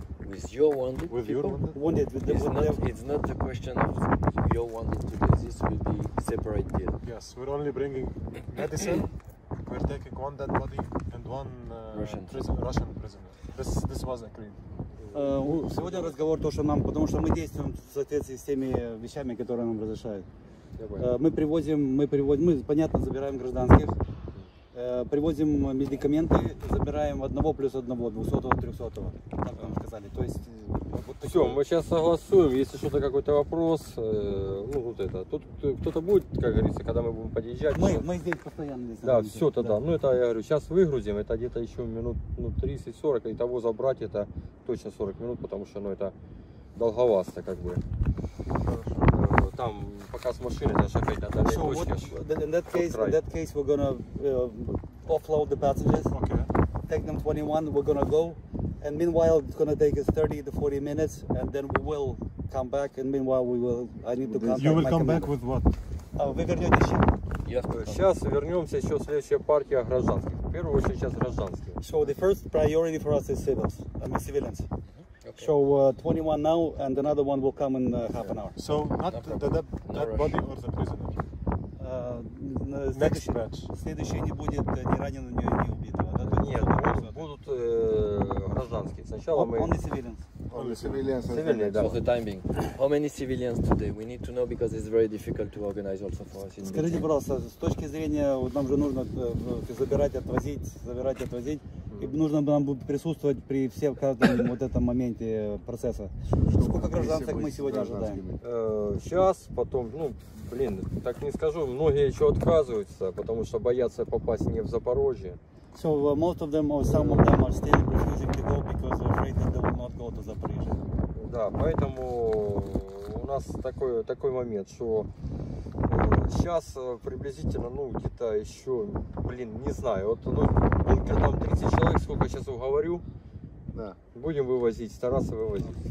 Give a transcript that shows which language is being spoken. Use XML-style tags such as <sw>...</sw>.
<en>with your wounded? With your wounded? Wounded with the wounded. It's not the question of your wounded to do. This will be separate deal. Yes, we're only bringing medicine. We're taking one dead body and one Russian prisoner. This was agreed.</en> <ru>Сегодня разговор то, что нам, потому что мы действуем в соответствии с теми вещами, которые нам разрешают. Мы привозим, понятно, забираем гражданских. Привозим медикаменты, забираем одного плюс одного, 200-300, так вам сказали. То есть, вот такие... Все, мы сейчас согласуем, если что-то, какой-то вопрос, ну вот это, тут кто-то будет, как говорится, когда мы будем подъезжать. Мы здесь постоянно. Здесь да, все тогда, да. Ну это я говорю, сейчас выгрузим, это где-то еще минут, ну 30-40, и того забрать это точно 40 минут, потому что, ну это долговато как бы. Там показ машины, это же опять надо лечить.</ru> <en>In that case, we're gonna offload the passengers. Okay. Take them 21. We're gonna go, and meanwhile it's gonna take us 30 to 40 minutes, and then we will come back. And meanwhile we will. I need to contact you. You will come back with what?</en> <ru>Вы вернетесь? Сейчас вернемся. Еще следующая партия гражданских. В первую очередь сейчас гражданские.</ru> <en>So the first priority for us is civils. I mean civilians. Okay. So 21 now, and another one will come in half an hour. So not the body or the prisoner. Next batch.</en> <ru>Следующий не будет ни раненого, ни убитого. Нет, будут гражданские. Сначала мы.</ru> <en>Only civilians. Only civilians. Civilians. For the time being. How many civilians today? We need to know because it's very difficult to organize also for us.</en> <ru>Скажите, пожалуйста, с точки зрения, вот нам же нужно забирать, отвозить. И нужно нам будет присутствовать при всем каждом вот этом моменте процесса. Сколько гражданских мы сегодня ожидаем? Сейчас, потом, ну, блин, так не скажу, многие еще отказываются, потому что боятся попасть не в Запорожье.</ru> <en>So most of them, or some of them, are still refusing to go because they're afraid that they will not go to Zaporizhzhia.</en> <ru>Да, поэтому у нас такой момент, что сейчас приблизительно, ну, где-то еще, блин, не знаю, вот, ну, там 30 человек, сколько я сейчас уговорю, да. Будем вывозить, стараться вывозить.</ru>